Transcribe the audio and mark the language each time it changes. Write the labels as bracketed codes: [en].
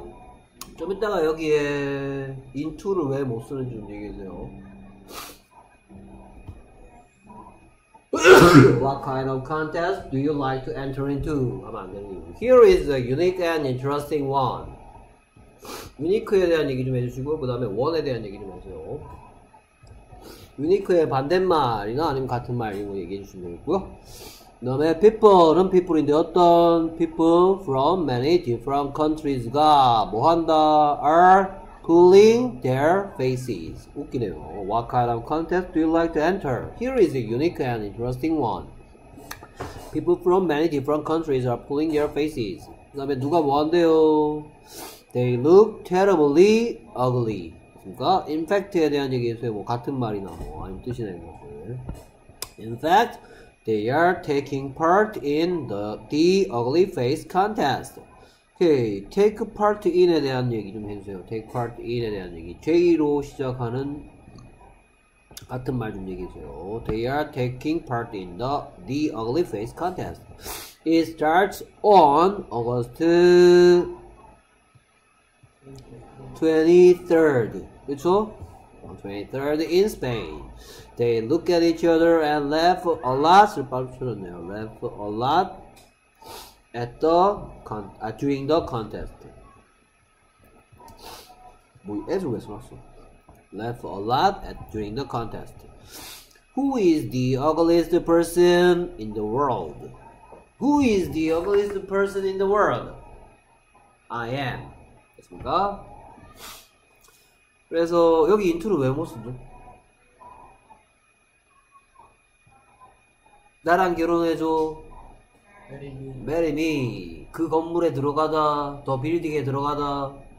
[ko] 좀 이따가 여기에 into를 왜 못 쓰는지 좀 얘기해주세요. [en] What kind of contest do you like to enter into? Here is a unique and interesting one. [ko] Unique에 대한 얘기 좀 해주시고, 그 다음에 one에 대한 얘기 좀 하세요. Unique의 반대말이나 아니면 같은 말 이런 거 얘기해주시면 되겠고요. 그 다음에 people은 people인데 어떤 people [en] from many different countries [ko] 가 뭐 한다? [en] Are pulling their faces. [ko] 웃기네요. [en] What kind of contest do you like to enter? Here is a unique and interesting one. People from many different countries are pulling their faces. [ko] 그 다음에 누가 뭐 한대요? [en] They look terribly ugly. [ko] 그러니까 infect에 대한 얘기에서 뭐 같은 말이나 뭐 아니면 뜻이나 이런 것들. [en] In fact, they are taking part in the ugly face contest. [ko] Okay, take part in에 대한 얘기 좀 해주세요. Take part in에 대한 얘기. J로 시작하는 같은 말 좀 얘기해주세요. [en] They are taking part in the ugly face contest. It starts on August 23rd. [ko] 그쵸? [en] On 23rd in Spain. They look at each other and laugh a lot. [ko] 빠르게 쳐졌네요. [en] Laugh a lot. At the during the contest. [ko] 뭐, 애들 왜 써놨어? [en] Laugh a lot at during the contest. Who is the ugliest person in the world? Who is the ugliest person in the world? I am. [ko] 됐습니까? 그래서 여기 인트로 왜 못 쓰죠? 나랑 결혼해줘. [en] Marry me. [ko] 그 건물에 들어가다. [en] The building [ko] 에 들어가다.